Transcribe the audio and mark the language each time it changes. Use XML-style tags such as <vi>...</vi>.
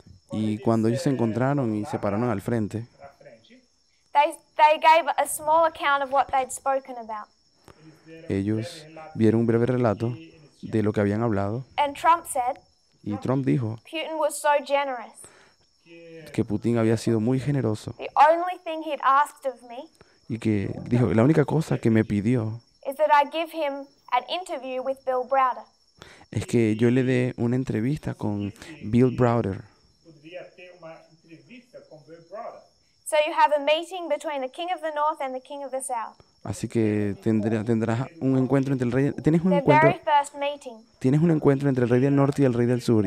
<es>y cuando ellos se encontraron y se pararon al frente,</es> <en>they gave a small account of what they'd spoken about.</en> <es>Ellos vieron un breve relato de lo que habían hablado.</es> <en>And Trump said,</en> <es>y Trump dijo,</es> <en>Putin was so generous.</en> <es>Que Putin había sido muy generoso.</es> <en>The only thing he'd asked of me,</en> <es>y que dijo, la única cosa que me pidió</es> <en>is that I give him an interview with Bill Browder.</en> <es>Es que yo le dé una entrevista con Bill Browder.</es> <en>So you have a meeting between the King of the North and the King of the South.</en> <es>Así que tendrás un encuentro entre el rey. Tienes un encuentro entre el rey del norte y el rey del sur.</es>